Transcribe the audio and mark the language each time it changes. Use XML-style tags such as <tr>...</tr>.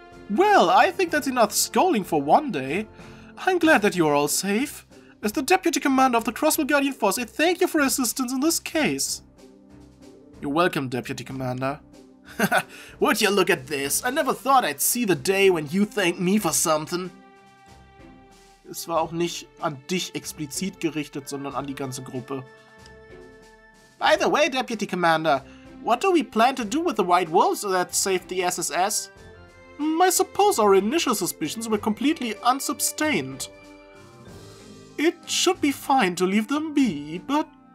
<en>Well, I think that's enough scolding for one day. I'm glad that you're all safe. As the deputy commander of the Crosswell Guardian Force, I thank you for your assistance in this case. You're welcome, deputy commander. Would you look at this? I never thought I'd see the day when you thank me for something.</en> <de>Es war auch nicht an dich explizit gerichtet, sondern an die ganze Gruppe.</de> <en>By the way, deputy commander, what do we plan to do with the White Wolves that saved the SSS? I suppose our initial suspicions were completely unsubstantiated. It should be fine to leave them be, but...</en>